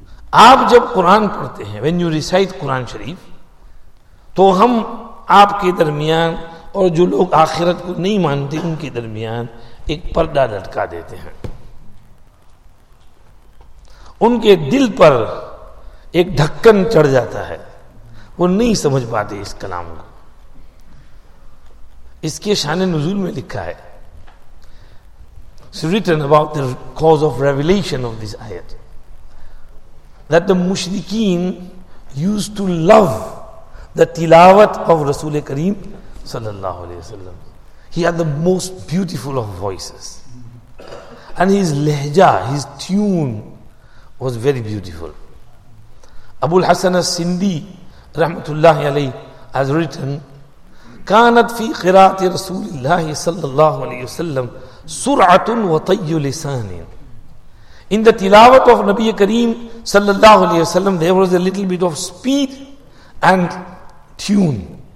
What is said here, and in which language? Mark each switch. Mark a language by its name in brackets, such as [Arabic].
[Urdu] آپ جب قرآن پڑھتے ہیں [English] when you recite [Urdu] قرآن شریف, تو ہم آپ کے درمیان اور جو لوگ آخرت کو نہیں مانتے ان کے درمیان ایک پردہ لٹکا دیتے ہیں, ان کے دل پر ایک ڈھکن چڑھ جاتا ہے, وہ نہیں سمجھ پاتے اس کلام کو. اس کے شان نزول میں لکھا ہے [English] it's written about the cause of revelation of this ayat that the mushrikeen used to love the tilawat of Rasul Kareem sallallahu alaihi wasallam. He had the most beautiful of voices and his lehja, his tune was very beautiful. Abu Hassan al-Sindi rahmatullahi alayhi has written, [Arabic] كانت في قراءة رسول الله صلى الله عليه وسلم سرعة وطي لسان. [English] In the tilawat of Nabi Kareem صلى الله عليه وسلم, there was a little bit of speed and tune.